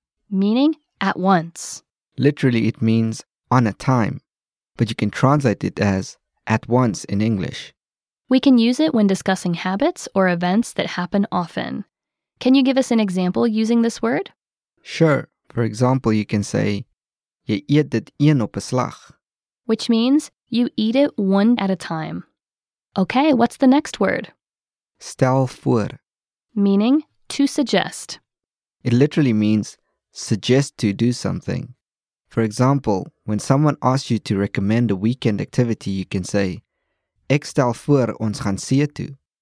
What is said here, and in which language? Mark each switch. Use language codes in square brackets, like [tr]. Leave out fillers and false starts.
[en] Meaning, at once. Literally, it means on a time, but you can translate it as at once in English. We can use it when discussing habits or events that happen often. Can you give us an example using this word? Sure. For example, you can say, [af] Jy eet dit een op 'n slag. [en] Which means you eat it one at a time. Okay, what's the next word? [af] Stel voor. [en] Meaning to suggest. It literally means suggest to do something. For example, when someone asks you to recommend a weekend activity, you can say, [af] Ek stel voor ons gaan see toe.